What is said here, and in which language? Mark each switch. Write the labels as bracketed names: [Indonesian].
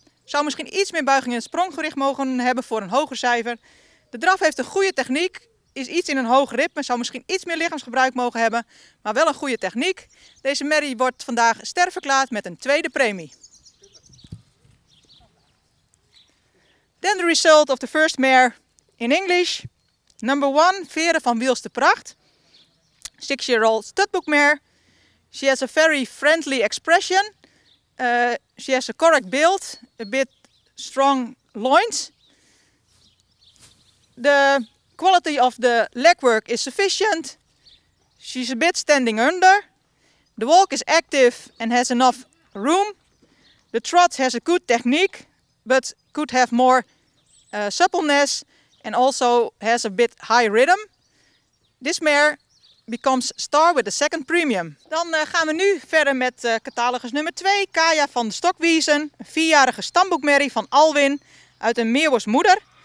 [Dutch] Zou misschien iets meer buiging en spronggewicht mogen hebben voor een hoger cijfer. De draf heeft een goede techniek. Is iets in een hoog ritme, zou misschien iets meer lichaamsgebruik mogen hebben, maar wel een goede techniek. Deze merrie wordt vandaag sterverklaard met een 2e premie. [English] Then the result of the first mare in English. Number 1, Veren van Wielster Pracht. 6-year-old studbook mare. She has a very friendly expression. She has a correct build, a bit strong loins. The quality of the legwork is sufficient. She's a bit standing under. The walk is active and has enough room. The trot has a good technique, but could have more suppleness and also has a bit high rhythm. This mare becomes star with a 2nd premium. [Dutch] Dan gaan we nu verder met catalogus nummer 2, Kaya van de Stokwiesen. Een 4-jarige stamboekmerrie van Alwin uit een Meerwors moeder.